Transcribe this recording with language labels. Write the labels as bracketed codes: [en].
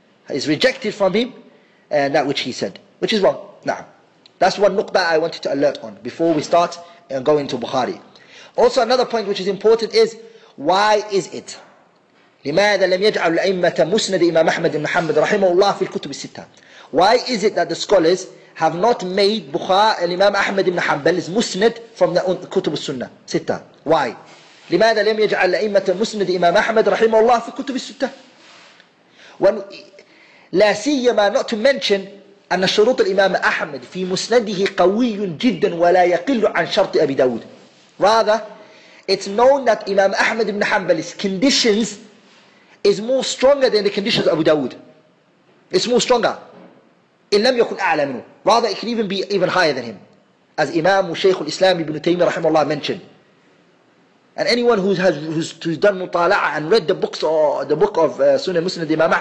[en] Is rejected from him, and that which he said, which is wrong. Now, that's one nuqta I wanted to alert on before we start and go into Bukhari. Also, another point which is important is why is it? [ar] لماذا لم يجعل الأئمة مسند إمام أحمد بن محمد رحمه الله في الكتب الستة? [en] Why is it that the scholars have not made Bukhari Imam Ahmad ibn Hanbal's musnad from the Kutub al-Sunnah Sita? Why? [ar] لماذا لم يجعل أئمة مسند إمام أحمد رحمه الله في كتب الستة؟ لا سيما [en] not to mention [ar] أن شروط الإمام أحمد في مسنده قوي جدا ولا يقل عن شرط أبي داود. [en] Rather, it's known that إمام أحمد بن حنبل's conditions is more stronger than the conditions of أبو داود. It's more stronger. [ar] إن لم يكن أعلى منه. [en] Rather, it can even be even higher than him. As إمام شيخ الإسلام ابن تيمية رحمه الله mentioned. And anyone who's done mutala'ah and read the book of Sunan Musnad Imam Ahmad will find that Imam Ahmad's Musnad has a stronger shart